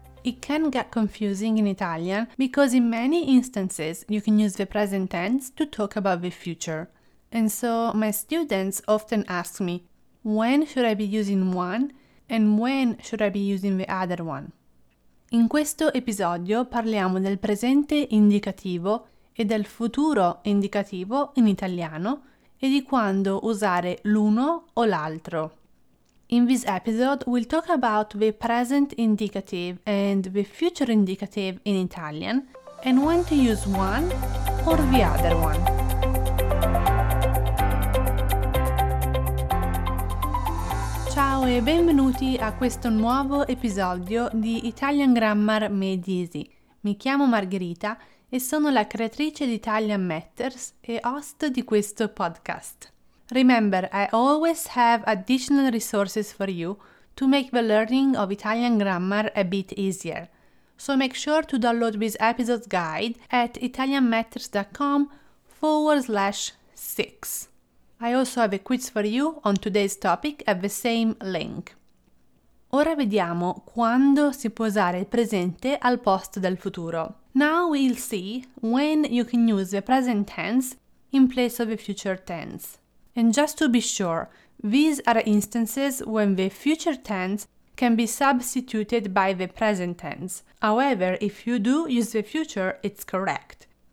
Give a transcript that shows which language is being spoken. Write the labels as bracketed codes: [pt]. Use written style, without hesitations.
[en] It can get confusing in Italian because in many instances you can use the present tense to talk about the future. And so my students often ask me, when should I be using one and when should I be using the other one? [it] In questo episodio parliamo del presente indicativo e del futuro indicativo in italiano e di quando usare l'uno o l'altro. [en] In this episode, we'll talk about the present indicative and the future indicative in Italian and when to use one or the other one. [it] Ciao e benvenuti a questo nuovo episodio di Italian Grammar Made Easy. Mi chiamo Margherita e sono la creatrice di Italian Matters e host di questo podcast. [en] Remember, I always have additional resources for you to make the learning of Italian grammar a bit easier. So make sure to download this episode's guide at italianmatters.com/6. I also have a quiz for you on today's topic at the same link. [it] Ora vediamo quando si può usare il presente al posto del futuro. [en] Now we'll see when you can use the present tense in place of the future tense. And just to be sure, these are instances when the future tense can be substituted by the present tense. However, if you do use the future, it's correct.